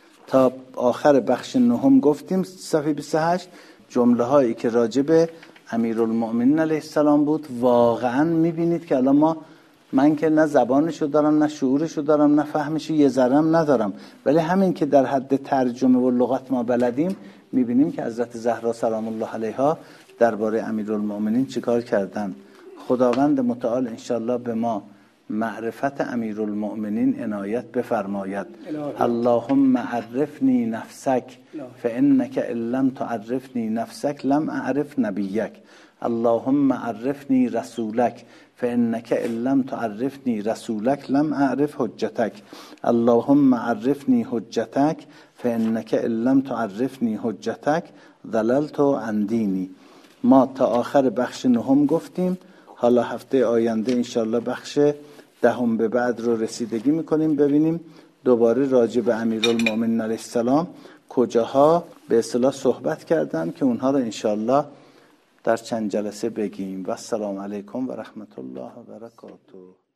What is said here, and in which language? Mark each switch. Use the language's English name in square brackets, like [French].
[Persian] تا آخر بخش نهم گفتیم صفحه 28 جمله هایی که راجب امیرالمؤمنین علیه السلام بود، واقعا میبینید که الان من که نه زبانشو دارم نه شعورشو دارم نه فهمشو یه ذرم ندارم، ولی همین که در حد ترجمه و لغت ما بلدیم میبینیم که حضرت زهرا سلام الله علیها درباره امیرالمؤمنین چیکار کردن. خداوند متعال انشاءالله به ما معرفت امیرالمؤمنین عنایت بفرماید. [Arabic] اللهم عرفنی نفسک فإنک إن لم تعرفنی نفسک لم أعرف نبیک، اللهم عرفنی رسولک فإنک إن لم تعرفنی رسولک لم أعرف حجتک، اللهم عرفنی حجتک فإنک إن لم تعرفنی حجتک ضللت عن دینی. [Persian] ما تا آخر بخش نهم گفتیم، حالا هفته آینده انشاءالله بخش دهم به بعد رو رسیدگی میکنیم، ببینیم دوباره راجع به امیرالمؤمنین علیه السلام کجاها به اصطلاح صحبت کردن که اونها رو انشاءالله در چند جلسه بگیم. و السلام علیکم و رحمت الله و برکاته.